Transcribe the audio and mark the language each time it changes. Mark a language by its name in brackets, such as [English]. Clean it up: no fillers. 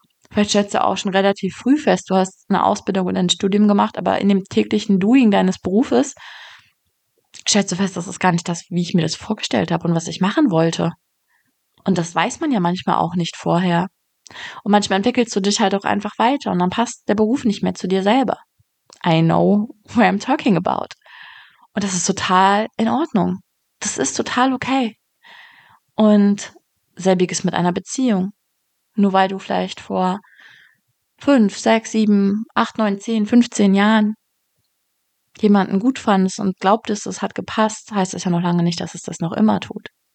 [German] Vielleicht stellst du auch schon relativ früh fest, du hast eine Ausbildung und ein Studium gemacht, aber in dem täglichen Doing deines Berufes stellst du fest, das ist gar nicht das, wie ich mir das vorgestellt habe und was ich machen wollte. Und das weiß man ja manchmal auch nicht vorher. Und manchmal entwickelst du dich halt auch einfach weiter und dann passt der Beruf nicht mehr zu dir selber. [English] I know what I'm talking about. [German] Und das ist total in Ordnung. Das ist total okay. Und selbiges mit einer Beziehung. Nur weil du vielleicht vor 5, 6, 7, 8, 9, 10, 15 Jahren jemanden gut fandest und glaubtest, es hat gepasst, heißt das ja noch lange nicht, dass es das noch immer tut.